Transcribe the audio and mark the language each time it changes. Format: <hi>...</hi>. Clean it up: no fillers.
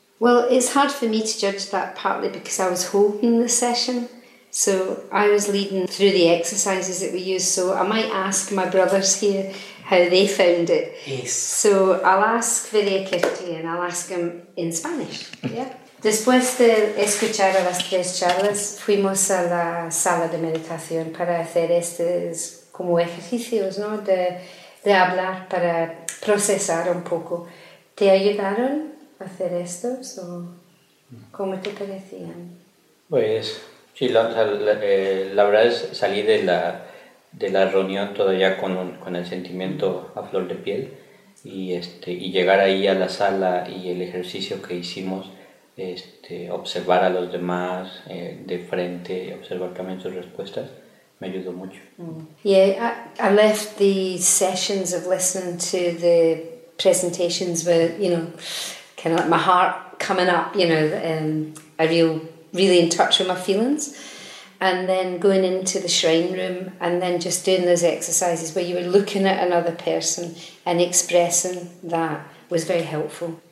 <en>Well, it's hard for me to judge that partly because I was holding the session. So I was leading through the exercises that we used. So I might ask my brothers here how they found it. Yes. So I'll ask Viriakirti and I'll ask him in Spanish. Yeah.</en> <es>Después de escuchar a las tres charlas, fuimos a la sala de meditación para hacer estos como ejercicios, ¿no? De hablar, para procesar un poco. ¿Te ayudaron a hacer estos o cómo te parecían? Pues sí, la verdad es salí de la reunión todavía con el sentimiento a flor de piel y llegar ahí a la sala y el ejercicio que hicimos. Observar a los demás de frente, observar también sus respuestas, me ayudó mucho.</es> <en>Yeah, I left the sessions of listening to the presentations with, you know, kind of like my heart coming up, you know, and I feel really in touch with my feelings. And then going into the shrine room and then just doing those exercises where you were looking at another person and expressing that was very helpful.</en>